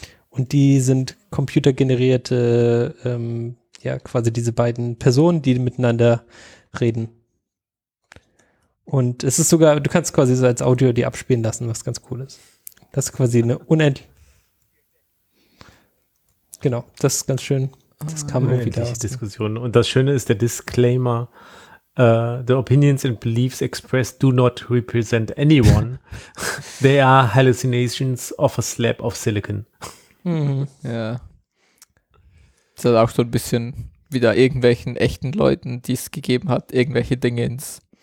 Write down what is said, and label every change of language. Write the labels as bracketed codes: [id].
[de] Und die sind computergenerierte, ja, quasi diese beiden Personen, die miteinander reden. Und es ist sogar, du kannst quasi so als Audio die abspielen lassen, was ganz cool ist. Das ist quasi eine unendliche. Genau, das ist ganz schön. Das kam irgendwie da. Diskussion. Und das Schöne ist der Disclaimer. [en] The opinions and beliefs expressed do not represent anyone. They are hallucinations of a slab of silicon. [de] Ja. Das ist halt auch so ein bisschen wieder irgendwelchen echten Leuten, die es gegeben hat, irgendwelche Dinge ins.